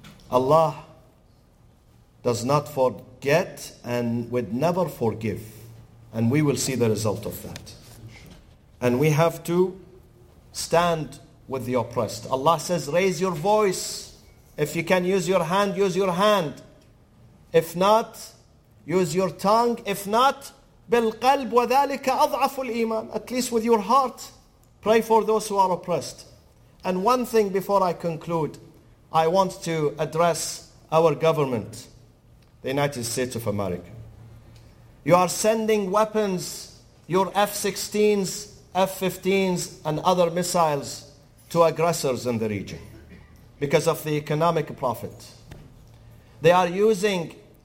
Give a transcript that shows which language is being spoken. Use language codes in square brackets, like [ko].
[en] Allah does not forget and would never forgive. And we will see the result of that. And we have to stand with the oppressed. Allah says, raise your voice. If you can use your hand, use your hand. If not, use your tongue. If not, [ar] بالقلب وذلك أضعف الإيمان. [en] At least with your heart, pray for those who are oppressed. And one thing before I conclude, I want to address our government, the United States of America. You are sending weapons, your F-16s, F-15s, and other missiles to aggressors in the region because of the economic profit. They are using